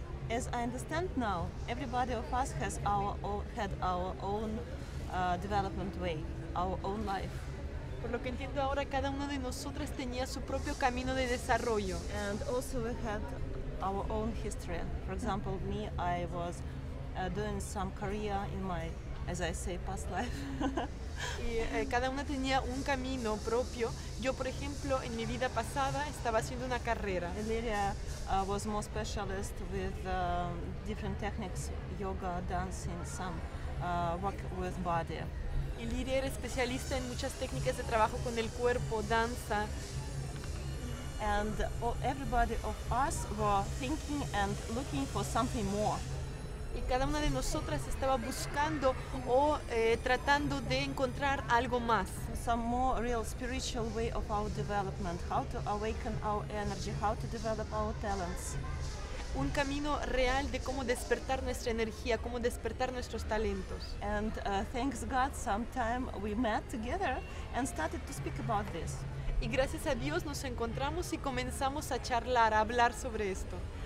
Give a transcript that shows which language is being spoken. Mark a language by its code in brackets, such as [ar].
[en] As I understand now, everybody of us had our own development way, our own life. [es] Por lo que entiendo ahora, cada una de nosotras tenía su propio camino de desarrollo. [en] And also we had our own history. For example, me, I was doing some career in my, as I say, past life. [es] Y cada una tenía un camino propio. Yo, por ejemplo, en mi vida pasada estaba haciendo una carrera. [en] Illyria was more specialist with different techniques, yoga, dancing, some. Work with body. [es] Illyria era especialista en muchas técnicas de trabajo con el cuerpo, danza. [en] And everybody of us were thinking and looking for something more. [es] Y cada una de nosotras estaba buscando o tratando de encontrar algo más. [en] Some more real spiritual way of our development, how to awaken our energy, how to develop our talents. [es] Un camino real de cómo despertar nuestra energía, cómo despertar nuestros talentos. [en] And thanks God, sometime we met together and started to speak about this. [es] Y gracias a Dios nos encontramos y comenzamos a charlar, a hablar sobre esto.